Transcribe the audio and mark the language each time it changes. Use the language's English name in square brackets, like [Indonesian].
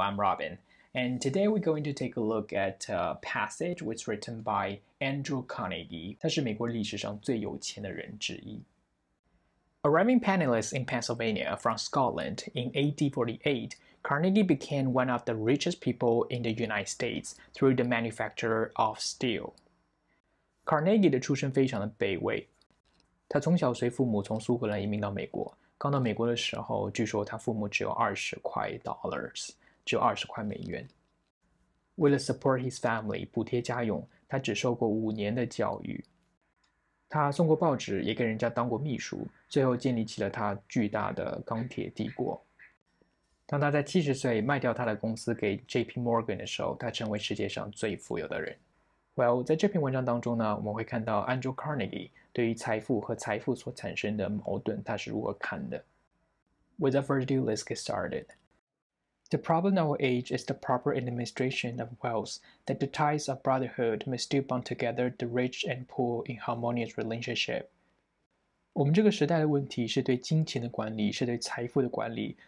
[English] I'm Robin, and today we're going to take a look at a passage which was written by Andrew Carnegie. [Chinese] 他是美国历史上最有钱的人之一. [English] Arriving penniless in Pennsylvania from Scotland in 1848, Carnegie became one of the richest people in the United States through the manufacture of steel. [Chinese] Carnegie的出身非常的卑微，他从小随父母从苏格兰移民到美国。刚到美国的时候，据说他父母只有20块 dollars，只有20块美元。为了 support his family，补贴家用，他只受过5年的教育。他送过报纸，也给人家当过秘书，最后建立起了他巨大的钢铁帝国。当他在70岁卖掉他的公司给 J.P. Morgan 的时候，他成为世界上最富有的人。Well，在这篇文章当中呢，我们会看到 Andrew Carnegie 对于财富和财富所产生的矛盾，他是如何看的。 [English] Without further ado, let's get started. The problem of our age is the proper administration of wealth, that the ties of brotherhood may still bind together the rich and poor in harmonious relationship. [Chinese] 我们这个时代的问题是对金钱的管理，是对财富的管理。